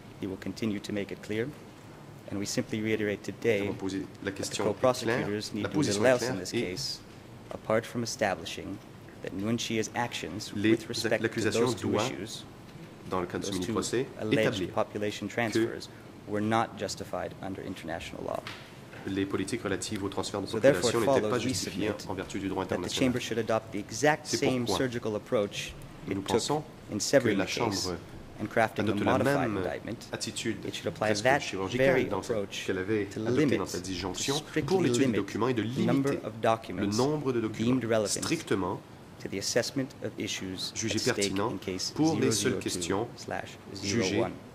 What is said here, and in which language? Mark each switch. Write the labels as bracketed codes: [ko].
[en] He will continue to make it clear. And we simply reiterate today that the co-prosecutors need to do little else in this case, apart from establishing that Nguyen Chia's actions with respect to those two issues, those two alleged population transfers, were not justified under international law. [fr] Les politiques relatives au transfert de population n'étaient pas justifiées en vertu du droit international. [en] That the chamber should adopt the exact same surgical approach it took in severing the case and crafting a modified indictment, attitude, it should apply that very approach to limit, strictly limit, the number of documents deemed relevant to the assessment of issues at stake in case 002/01.